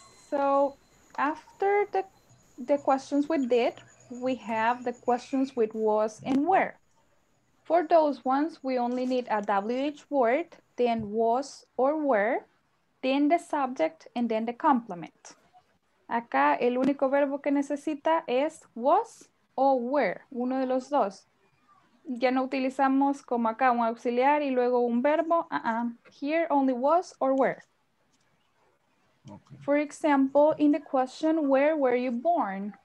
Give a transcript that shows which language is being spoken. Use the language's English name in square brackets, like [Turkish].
[English] So after the questions with did, we have the questions with was and where. For those ones, we only need a WH word, then was or were, then the subject, and then the complement. [Spanish] Acá el único verbo que necesita es was o were, uno de los dos. Ya no utilizamos como acá un auxiliar y luego un verbo. [English] Here only was or were. Okay. For example, in the question, where were you born?